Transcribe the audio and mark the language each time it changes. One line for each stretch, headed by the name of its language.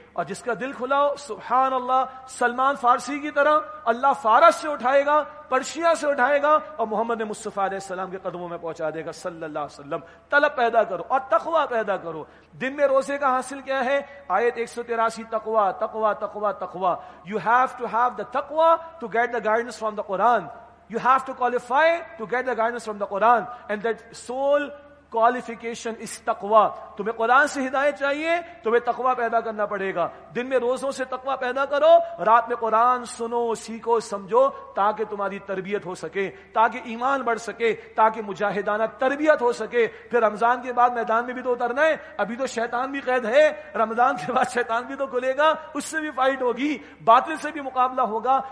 Urdu: اور جس کا دل کھلا ہو، سبحان اللہ، سلمان فارسی کی طرح، اللہ فارس سے اٹھائے گا، پرشیا سے اٹھائے گا، اور محمد مصطفیٰ علیہ السلام کے قدموں میں پہنچا دے گا صلی اللہ علیہ وسلم. طلب پیدا کرو اور تقوی پیدا کرو. دن میں روزے کا حاصل کیا ہے؟ آیت 183، تقوی تقوی تقوی تقوی.
English: You have to have the تقوی to get the guidance from the Quran. You have to qualify to get the guidance from the Quran. And that sole qualification is تقوی.
Urdu: تمہیں قرآن سے ہدایت چاہیے، تمہیں تقوی پیدا کرنا پڑے گا. دن میں روزوں سے تقوی پیدا کرو، رات میں قرآن سنو، سیکھو، سمجھو، تاکہ تمہاری تربیت ہو سکے، تاکہ ایمان بڑھ سکے، تاکہ مجاہدانہ تربیت ہو سکے. پھر رمضان کے بعد میدان میں بھی تو اترنا ہے، ابھی تو شیطان بھی قید ہے، رمضان کے بعد شیطان بھی تو کھلے گا، اس سے بھی فائٹ ہوگی، باطل سے بھی مقابلہ ہوگا.